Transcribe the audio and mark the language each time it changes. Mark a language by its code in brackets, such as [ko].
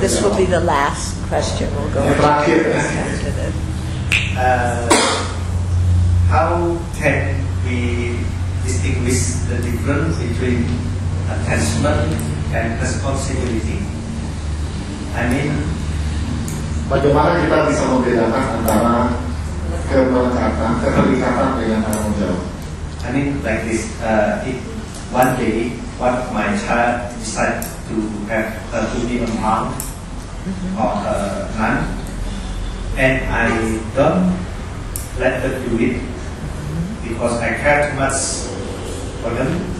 [en] This will be the last question. We'll go. [id] Terakhir. [en] How can we distinguish the difference between attachment and responsibility? I mean, [id] bagaimana kita bisa membedakan antara keterikatan, keterikatan dengan tanggung jawab? [en] I mean, like this. If one day, what my child decide to have to be a monk or a nun, and I don't let her do it because I care too much for them.